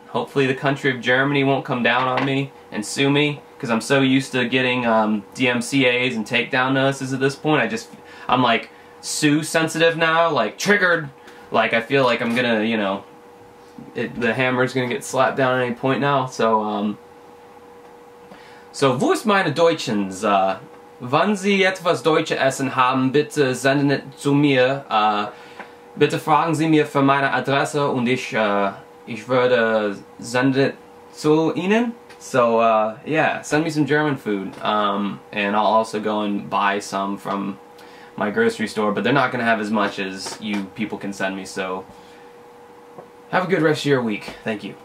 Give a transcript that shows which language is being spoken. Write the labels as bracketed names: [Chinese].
[English] Hopefully the country of Germany won't come down on me and sue me because I'm so used to getting DMCAs and takedown notices at this point. I'm like sue sensitive now, like triggered. Like I feel like I'm gonna, you know, the hammer's gonna get slapped down at any point now. [German] So, wo ist meine Deutschens? Wenn Sie etwas Deutsche essen haben, bitte senden es zu mir. Bitte fragen Sie mir für meine Adresse und ich würde senden es zu Ihnen. [English] So, send me some German food. And I'll also go and buy some from my grocery store, but they're not going to have as much as you people can send me. So, have a good rest of your week. Thank you.